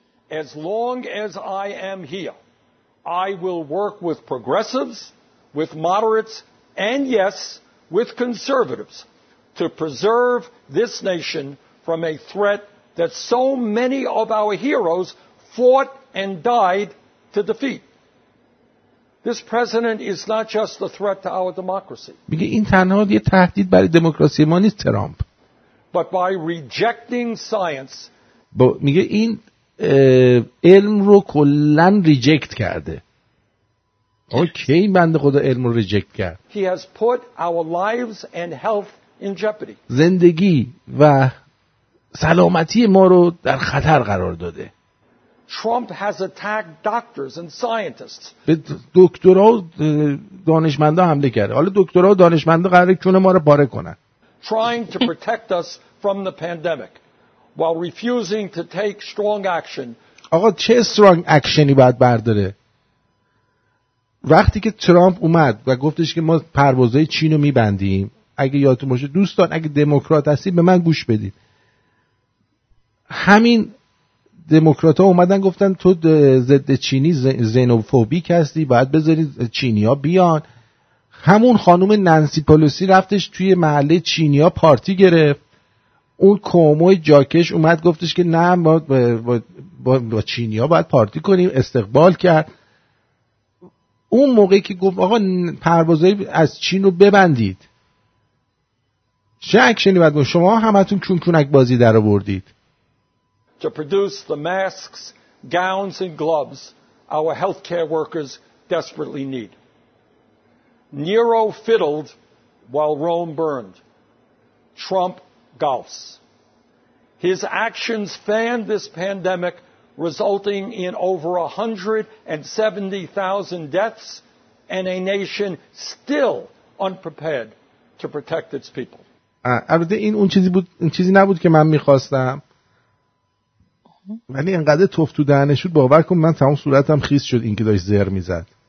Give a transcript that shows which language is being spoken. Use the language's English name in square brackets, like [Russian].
[English] As long as I am here I will work with progressives, with moderates and yes with conservatives to preserve this nation from a threat that so many of our heroes fought and died to defeat. This president is not just a threat to our democracy. [Persian] میگه این تنها یه تهدید برای دموکراسی ما نیست ترامپ. [English] But by rejecting science. [Persian] میگه این علم رو کلن ریجکت کرده. اوکی این بنده خدا علم رو ریجکت کرد. [English] He has put our lives and health in jeopardy. [Persian] زندگی و سلامتی ما رو در خطر قرار داده. [English] Trump has attacked doctors and scientists. [Persian] دکترها و دانشمندا حمله کرده. حالا دکترها و دانشمندا قراره کونه ما رو پاره کنن. [English] trying to protect us from the pandemic while refusing to take strong action. [Persian] آقا چه استرانگ اکشنی باید برداره؟ وقتی که ترامپ اومد و گفتش که ما پروازهای چین رو میبندیم، اگه یادتون باشه دوستان، اگه دموکرات هستید به من گوش بدید، همین دموکرات ها اومدن گفتن تو ضد چینی زنوفوبیک هستی، باید بذارید چینی ها بیان. همون خانوم نانسی پلوسی رفتش توی محله چینی ها پارتی گرفت، اون کوموی جاکش اومد گفتش که نه ما با چینی ها باید پارتی کنیم، استقبال کرد. اون موقعی که گفت آقا پروازهای از چین رو ببندید، چه اکشنی باید کنید؟ شما همتون کونکونک بازی در رو بردید. [English] To produce the masks, gowns and gloves our healthcare workers desperately need. Nero fiddled while Rome burned. Trump golfs. His actions fanned this pandemic, resulting in over 170,000 deaths and a nation still unprepared to protect its people. [Persian] البته این اون چیزی بود، این چیزی نبود که من می‌خواستم. ولی انقدر توف تو دهنش شد، باور کن من تمام صورتم خیس شد اینکه داش زر می‌زد.